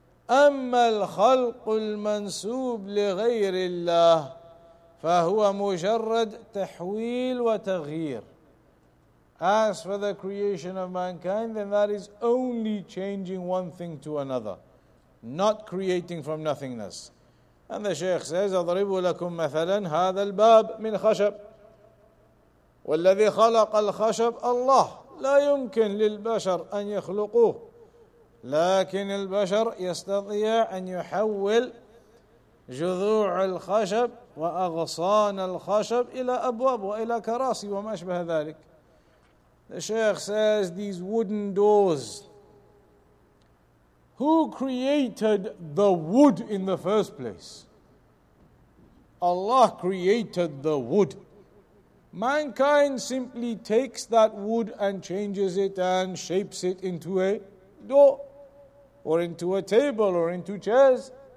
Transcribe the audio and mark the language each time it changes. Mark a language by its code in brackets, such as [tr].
[ar] أَمَّا الْخَلْقُ الْمَنْسُوبُ لِغَيْرِ اللَّهِ فَهُوَ مُجَرَّدْ تَحْوِيلُ وَتَغْيِيرُ. [en] As for the creation of mankind, then that is only changing one thing to another, not creating from nothingness. And the Shaykh says, [ar] أَضْرِبُ لَكُمْ مَثَلًا هَذَا الْبَابُ مِنْ خَشَبُ وَالَّذِي خَلَقَ الْخَشَبُ اللَّهُ لَا يُمْكِنْ لِلْبَشَرْ أَنْ يَخْلُقُوهُ لكن البشر يستطيع أن يحول جذوع الخشب وأغصان الخشب إلى أبواب وإلى كراسي وما أشبه ذلك. [en] The Shaykh says, these wooden doors, who created the wood in the first place? Allah created the wood. Mankind simply takes that wood and changes it and shapes it into a door, or into a table, or into chairs.